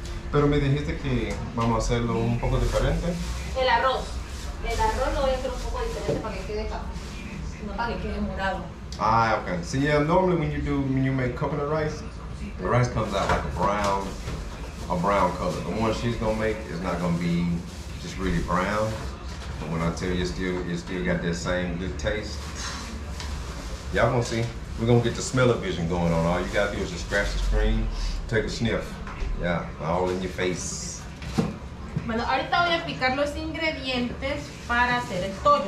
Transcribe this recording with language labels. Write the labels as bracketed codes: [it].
[es] Pero me dijiste que vamos a hacerlo un poco diferente. El arroz lo voy a hacer un poco diferente para que quede café. [en] Ah, okay. See, yeah, normally when you make coconut rice, the rice comes out like a brown color. The one she's gonna make is not gonna be just really brown. But when I tell you, it still got that same good taste. Y'all gonna see. We're gonna get the smell-o-vision going on. All you gotta do is just scratch the screen, take a sniff. Yeah, all in your face. [es] Bueno, ahorita voy a picar los ingredientes para hacer el tollo.